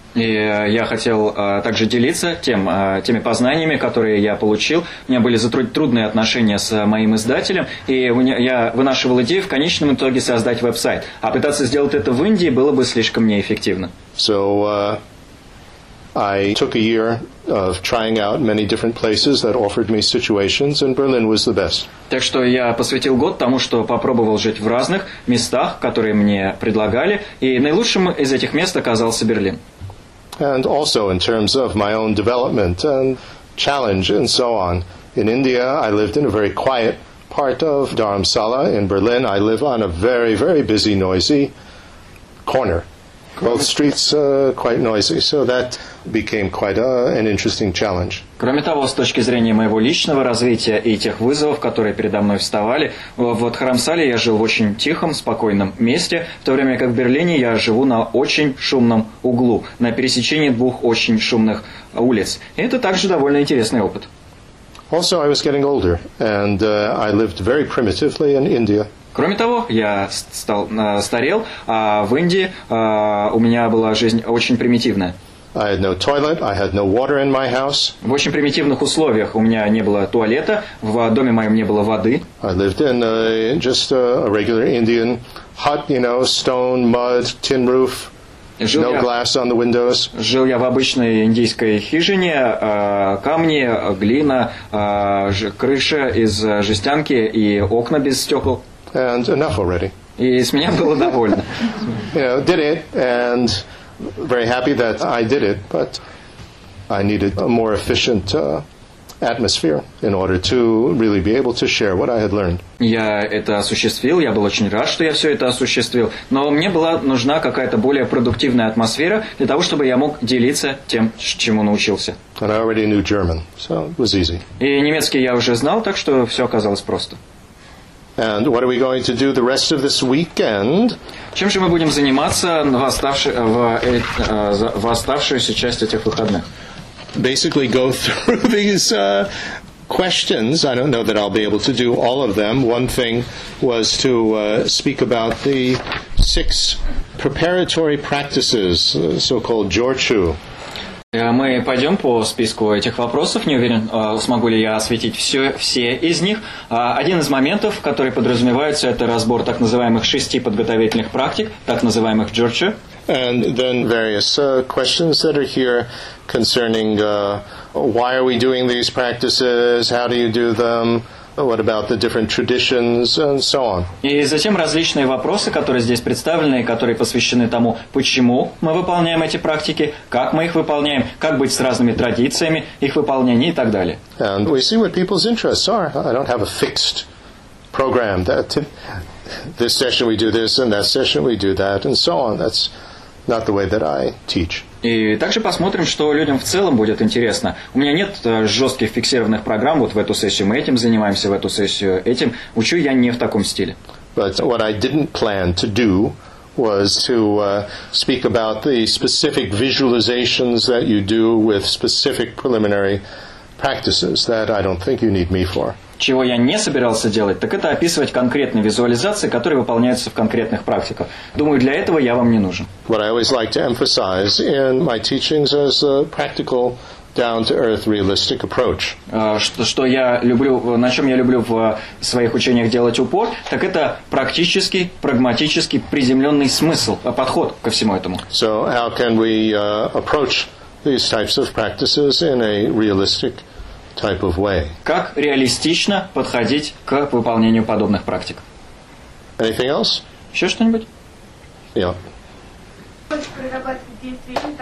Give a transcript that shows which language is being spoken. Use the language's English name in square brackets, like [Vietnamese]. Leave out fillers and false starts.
[Russian] И я хотел также делиться теми познаниями, которые я получил. У меня были трудные отношения с моим издателем, и я вынашивал идею в конечном итоге создать веб-сайт. А пытаться сделать это в Индии было бы слишком неэффективно. [English] So I took a year of trying out many different places that offered me situations, and Berlin was the best. [Russian] Так что я посвятил год тому, что попробовал жить в разных местах, которые мне предлагали, и наилучшим из этих мест оказался Берлин. [English] And also in terms of my own development and challenge and so on. In India, I lived in a very quiet part of Dharamsala. In Berlin, I live on a very, very busy, noisy corner. Both streets quite noisy, so that became quite an interesting challenge. [Russian] Кроме того, с точки зрения моего личного развития и тех вызовов, которые передо мной вставали, вот в Харамсале я жил в очень тихом, спокойном месте, в то время как в Берлине я живу на очень шумном углу, на пересечении двух очень шумных улиц. И это также довольно интересный опыт. [English] Also, I was getting older, and I lived very primitively in India. [Russian] Кроме того, я стал старел, а в Индии у меня была жизнь очень примитивная. [English] I had no toilet, I had no water in my house. [Russian] В очень примитивных условиях. У меня не было туалета, в доме моем не было воды. [English] I lived in a regular Indian hut, you know, stone, mud, tin roof. No glass on the windows. [Russian] Жил я в обычной индийской хижине, камни, глина, крыша из жестянки и окна без стекол. [English] And enough already. [Russian] И с меня было довольно. [English] Did it, and very happy that I did it, but I needed a more efficient atmosphere in order to really be able to share what I had learned. [Russian] Я это осуществил, я был очень рад, что я все это осуществил, но мне была нужна какая-то более продуктивная атмосфера для того, чтобы я мог делиться тем, чему научился. [English] And I already knew German, so it was easy. [Russian] И немецкий я уже знал, так что все оказалось просто. [English] And what are we going to do the rest of this weekend? [Russian] Чем же мы будем заниматься в оставшуюся часть этих выходных? [English] Basically go through these questions. I don't know that I'll be able to do all of them. One thing was to speak about the six preparatory practices, so-called jorchu. [Russian] Мы пойдем по списку этих вопросов. Не уверен, смогу ли я осветить все из них. Один из моментов, который подразумевается, это разбор так называемых шести подготовительных практик, так называемых джорчу. [English] And then various questions that are here concerning why are we doing these practices, how do you do them, what about the different traditions, and so on. [Russian] И затем различные вопросы, которые здесь представлены, которые посвящены тому, почему мы выполняем эти практики, как мы их выполняем, как быть с разными традициями их выполнения и так далее. [English] And we see what people's interests are. I don't have a fixed program that this session we do this, and that session we do that, and so on. That's not the way that I teach. [Russian] И также посмотрим, что людям в целом будет интересно. У меня нет жестких фиксированных программ, вот в эту сессию мы этим занимаемся, в эту сессию этим. Учу я не в таком стиле. [English] But what I didn't plan to do was to speak about the specific visualizations that you do with specific preliminary practices that I don't think you need me for. [Russian] Чего я не собирался делать, так это описывать конкретные визуализации, которые выполняются в конкретных практиках. Думаю, для этого я вам не нужен. [English] What I always like to emphasize in my teachings is a practical, down-to-earth, realistic approach. [Russian] На чем я люблю в своих учениях делать упор, так это практический, прагматический, приземленный смысл, подход ко всему этому. [English] So how can we approach these types of practices in a realistic type of way? [Russian] Как реалистично подходить к выполнению подобных практик? [English] Anything else? [Russian] Еще что-нибудь? [English] Yeah. [Russian] Прорабатывать действия